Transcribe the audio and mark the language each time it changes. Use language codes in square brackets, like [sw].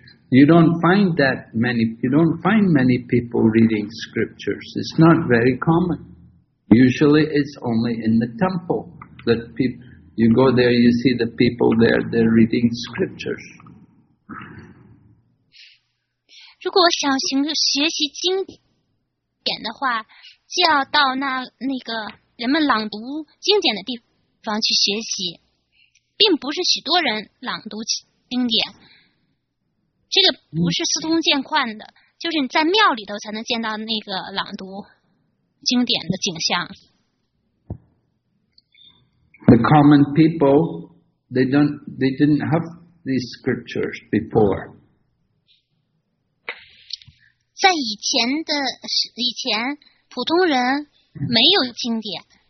[en] You don't find many people reading scriptures. It's not very common. Usually it's only in the temple that you go there, you see the people there, they're reading scriptures. [zh] 如果想行学习经典的话，就要到那个人们朗读经典的地方去学习，并不是许多人朗读经典。这个不是司空见惯的，就是你在庙里头才能见到那个朗读经典的景象。 [en] The common people, they didn't have these scriptures before. [zh] 在以前普通人没有经典。